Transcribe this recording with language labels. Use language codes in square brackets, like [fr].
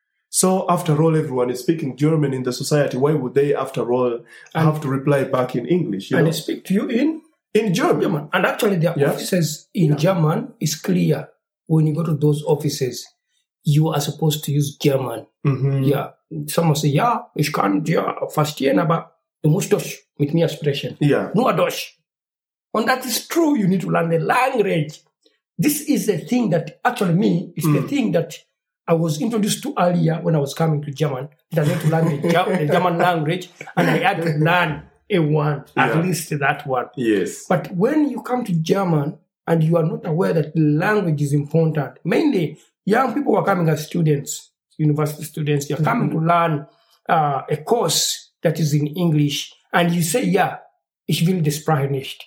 [en] So after all, everyone is speaking German in the society. Why would they, after all, have to reply back in English? And they speak to you in? In German. German. And actually, their offices in German is clear. When you go to those offices, you are supposed to use German. Mm-hmm. Yeah. Someone say, yeah, [de] ich kann dir verstehen, aber du musst Deutsch mit mir sprechen. [en] Yeah. [de] Nur Deutsch. [en] And that is true. You need to learn the language. This is the thing that, actually me, is the thing that I was introduced to earlier when I was coming to German. That I need to learn the German language, and I had to learn A1, at least that one. Yes. But when you come to German and you are not aware that language is important, mainly young people who are coming as students, university students, you're coming to learn a course that is in English, and you say, yeah, [de] ich will die Sprache nicht.